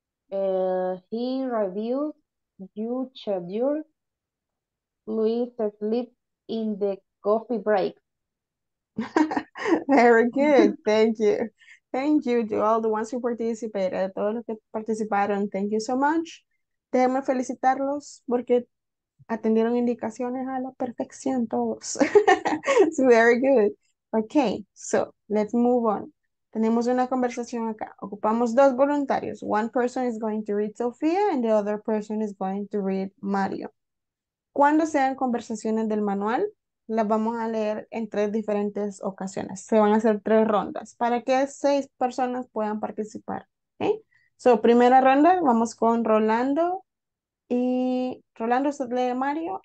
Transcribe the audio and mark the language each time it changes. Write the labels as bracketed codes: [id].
[en] He reviews your schedule. Luis sleep in the coffee break. Very good. Thank you. Thank you to all the ones who participated. [es] A todos los que participaron. [en] Thank you so much. [es] Déjenme felicitarlos porque atendieron indicaciones a la perfección todos. [en] It's very good. Okay, so let's move on. [es] Tenemos una conversación acá. Ocupamos dos voluntarios. [en] One person is going to read Sofía and the other person is going to read Mario. [es] Cuando sean conversaciones del manual, las vamos a leer en tres diferentes ocasiones. Se van a hacer tres rondas para que 6 personas puedan participar. ¿Okay? So, primera ronda, vamos con Rolando. Y Rolando, usted lee Mario.